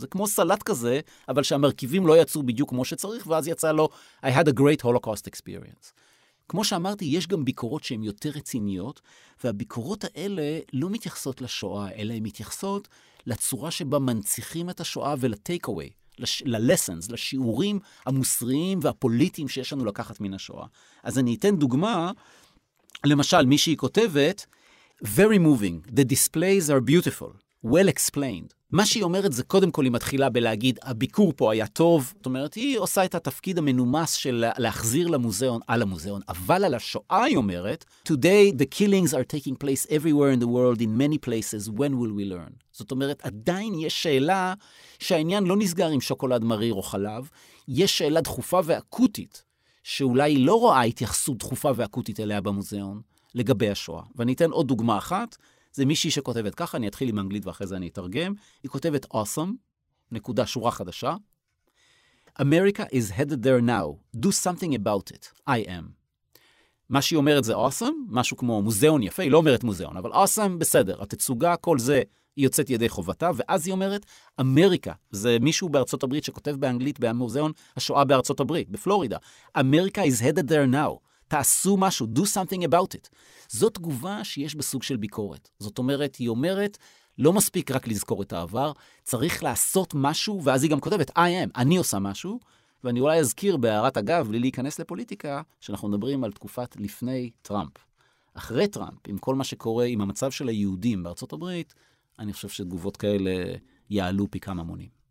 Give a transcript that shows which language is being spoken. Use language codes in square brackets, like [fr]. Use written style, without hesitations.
[he] זה כמו סלט כזה, אבל שהמרכיבים לא יצאו בדיוק כמו שצריך, ואז יצא לו, [en] I had a great Holocaust experience. [he] כמו שאמרתי, יש גם ביקורות שהן יותר רציניות, והביקורות האלה לא מתייחסות לשואה, אלא הן מתייחסות לצורה שבה מנציחים את השואה ולטייק-אווי. ללסנס, לשיעורים המוסריים והפוליטיים שיש לנו לקחת מן השואה. אז אני אתן דוגמה, למשל, מישהי כותבת, [en] very moving, the displays are beautiful, well explained. [he] מה שהיא אומרת זה קודם כל היא מתחילה בלהגיד, הביקור פה היה טוב, זאת אומרת, היא עושה את התפקיד המנומס של להחזיר למוזיאון, על המוזיאון, אבל על השואה היא אומרת, [en] today the killings are taking place everywhere in the world, in many places, when will we learn? [he] זאת אומרת, עדיין יש שאלה שהעניין לא נסגר עם שוקולד מריר או חלב, יש שאלה דחופה ואקוטית, שאולי היא לא רואה התייחסות דחופה ואקוטית אליה במוזיאון, לגבי השואה. ואני אתן עוד דוגמה אחת, זה מישהי שכותבת ככה, אני אתחיל עם אנגלית ואחרי זה אני אתרגם, היא כותבת awesome, נקודה שורה חדשה, [en] America is headed there now. Do something about it. I am. [he] מה שהיא אומרת זה awesome, משהו כמו מוזיאון יפה, היא לא אומרת מוזיאון, אבל awesome, בסדר, התצוגה, כל זה, היא יוצאת ידי חובתה, ואז היא אומרת, אמריקה, זה מישהו בארצות הברית שכותב באנגלית במוזיאון השואה בארצות הברית, בפלורידה, [en] America is headed there now. [he] תעשו משהו, [en] do something about it. [he] זאת תגובה שיש בסוג של ביקורת. זאת אומרת, היא אומרת, לא מספיק רק לזכור את העבר, צריך לעשות משהו, ואז היא גם כותבת, [en] I am, [he] אני עושה משהו, ואני אולי אזכיר בהערת אגב, בלי להיכנס לפוליטיקה, שאנחנו מדברים על תקופת לפני טראמפ. אחרי טראמפ, עם כל מה שקורה עם המצב של היהודים בארצות הברית, אני חושב שתגובות כאלה יעלו פי כמה מונים.